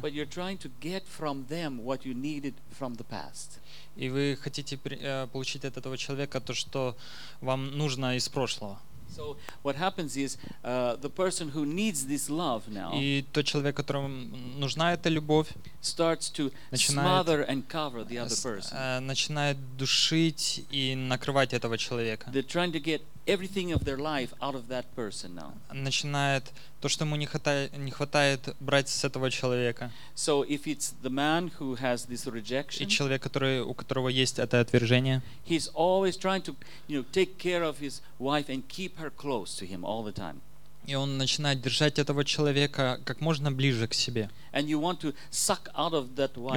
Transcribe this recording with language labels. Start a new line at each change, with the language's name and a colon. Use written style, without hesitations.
English: But you're trying to get from them what you needed from the past.
Russian: И вы хотите получить от этого человека то, что вам нужно из прошлого.
English: So what happens is the person who needs this love now.
Russian: И тот человек, которому нужна эта любовь,
English: starts to smother and cover the other person.
Russian: Начинает душить и накрывать этого человека.
English: They're trying to get everything of their life out of that person now.
Russian: Начинает то, что ему не хватает брать с этого человека.
English: So if it's the man who has this rejection,
Russian: и человек, который, у которого есть это отвержение,
English: he's always trying to, you know, take care of his wife and keep her close to him all the time.
Russian: И он начинает держать этого человека как можно ближе к себе.
English: And you want to suck out of that wife.